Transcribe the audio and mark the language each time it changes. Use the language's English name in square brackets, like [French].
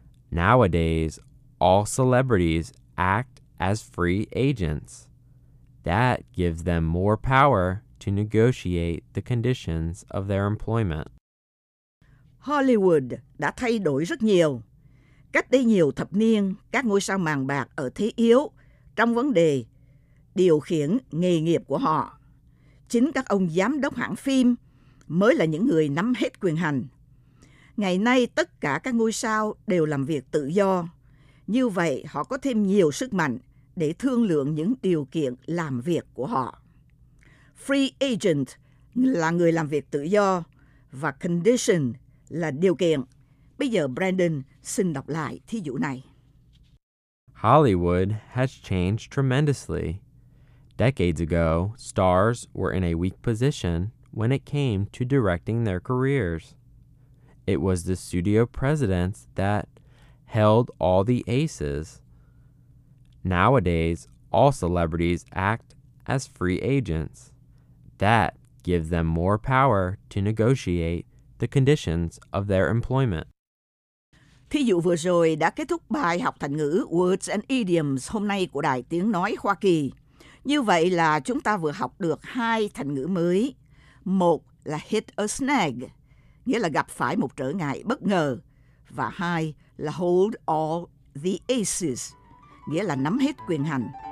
[English] Nowadays, all celebrities act as free agents. That gives them more power to negotiate the conditions of their employment. [Vietnamese] Hollywood đã thay đổi rất nhiều. Cách đây nhiều thập niên, các ngôi sao màn bạc ở thế yếu trong vấn đề điều khiển nghề nghiệp của họ. Chính các ông giám đốc hãng phim mới là những người nắm hết quyền hành. Ngày nay, tất cả các ngôi sao đều làm việc tự do. Như vậy, họ có thêm nhiều sức mạnh để thương lượng những điều kiện làm việc của họ. [English] Free agent [Vietnamese] là người làm việc tự do và condition là điều kiện. Bây giờ, Brandon xin đọc lại thí dụ này. [English] Hollywood has changed tremendously. Decades ago, stars were in a weak position when it came to directing their careers. It was the studio presidents that held all the aces. Nowadays, all celebrities act as free agents. That gives them more power to negotiate the conditions of their employment. [Vietnamese] Thí dụ vừa rồi đã kết thúc bài học thành ngữ Words and Idioms hôm nay của Đài Tiếng Nói Hoa Kỳ. Như vậy là chúng ta vừa học được hai thành ngữ mới. Một là [English] hit a snag, [Vietnamese] nghĩa là gặp phải một trở ngại bất ngờ. Và hai là [English] hold all the aces, [Vietnamese] nghĩa là nắm hết quyền hành.